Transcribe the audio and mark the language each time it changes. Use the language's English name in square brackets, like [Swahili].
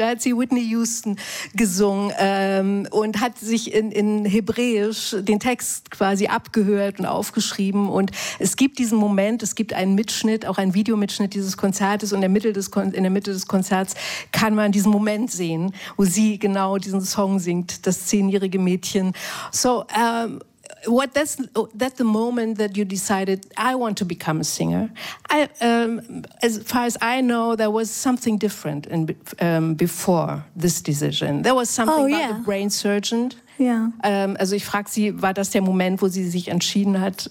[German] Da hat sie Whitney Houston gesungen und hat sich in Hebräisch den Text quasi abgehört und aufgeschrieben. Und es gibt diesen Moment, es gibt einen Mitschnitt, auch einen Videomitschnitt dieses Konzertes. Und in der Mitte des Konzerts kann man diesen Moment sehen, wo sie genau diesen Song singt, das 10-jährige Mädchen. [English] So, that's the moment that you decided, I want to become a singer. As far as I know, there was something different before this decision. There was something about the brain surgeon. Yeah. [German] Also ich frage sie, war das der Moment, wo sie sich entschieden hat?